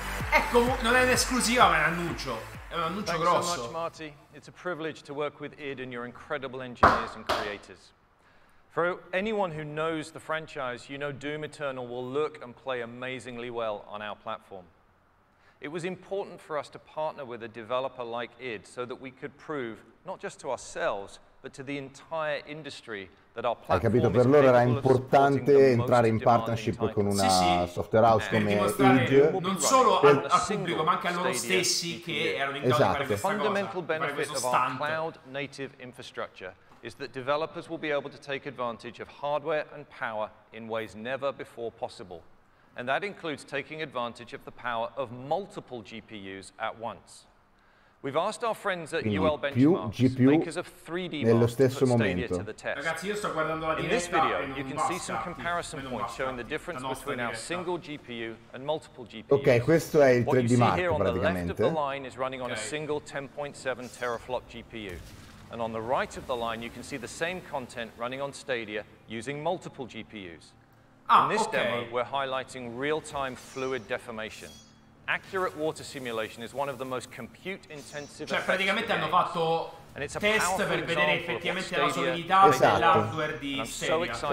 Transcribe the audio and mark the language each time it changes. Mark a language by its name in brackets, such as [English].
[Italian] Ecco, non è un'esclusiva, ma è un annuncio. [English] Thanks [Italian] grosso. [English] So much, Marty. It's a privilege to work with id and your incredible engineers and creators. For anyone who knows the franchise, you know Doom Eternal will look and play amazingly well on our platform. It was important for us to partner with a developer like id so that we could prove, not just to ourselves, but to the entire industry, [Italian] Hai capito, per loro era importante entrare in partnership con una software house come id, non solo al pubblico ma anche a loro stessi che erano in grado di fare questa cosa, fare questo stunt. [English] Is that developers will be able to take advantage of hardware and power in ways never before possible. And that includes taking advantage of the power of multiple GPUs at once. We've asked our friends at UL Benchmarks, makers of 3D models, to put Stadia to the test. In this video, you can see some comparison points showing the difference between our single GPU and multiple GPUs. [Italian] Okay, questo è il 3D Mark, praticamente. [English] The left of the line is running on a single 10.7 teraflop GPU. And on the right of the line, you can see the same content running on Stadia using multiple GPUs. In this demo, we're highlighting real-time fluid deformation. Accurate water simulation is one of the most compute-intensive effects. [Italian] Cioè, praticamente hanno fatto test per vedere effettivamente la solidità dell'hardware di Stadia.